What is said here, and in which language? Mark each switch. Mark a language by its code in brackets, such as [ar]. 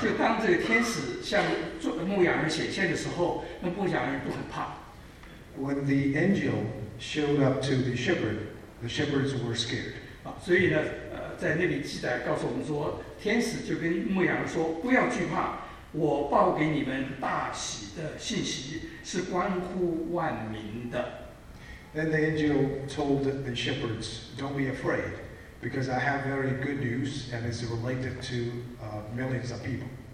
[zh] 就当这个天使向牧羊人显现的时候，那牧羊人都很怕。 [en] When the angel showed up to the shepherd, the shepherds were scared. [zh] 所以呢，在那里记载告诉我们说，天使就跟牧羊人说，不要惧怕，我报给你们大喜的信息是关乎万民的。 [en] Then the angel told the shepherds, "Don't be afraid." Because I have very good news, and it's related to millions of people.